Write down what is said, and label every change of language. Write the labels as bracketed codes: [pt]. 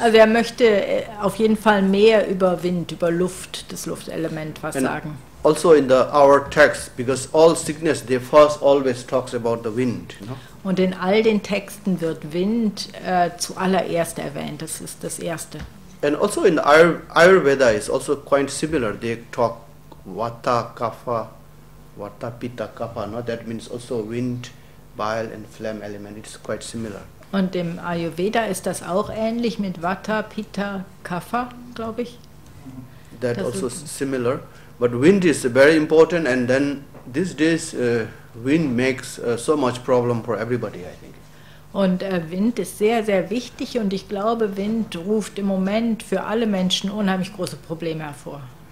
[de] Also er möchte auf jeden Fall mehr über Wind, über Luft, das Luftelement was [en] and [de] sagen. [en] Also in the our text, because all sickness, they first always talks about the wind. You know? [de] Und in all den Texten wird Wind zuallererst erwähnt, das ist das Erste. [en] And also in Ayurveda is also quite similar, they talk Vata, Kapha, Vata, Pitta, Kapha, no? That means also wind, bile and phlegm element, it's quite similar. [de] Und im Ayurveda ist das auch ähnlich mit Vata, Pitta, Kapha, glaube ich. [en] That also similar. But wind is very important, and then these days wind makes so much problem for everybody, I think. [de] Und Wind ist sehr, sehr wichtig, und ich glaube, Wind ruft im Moment für alle Menschen unheimlich große Probleme hervor.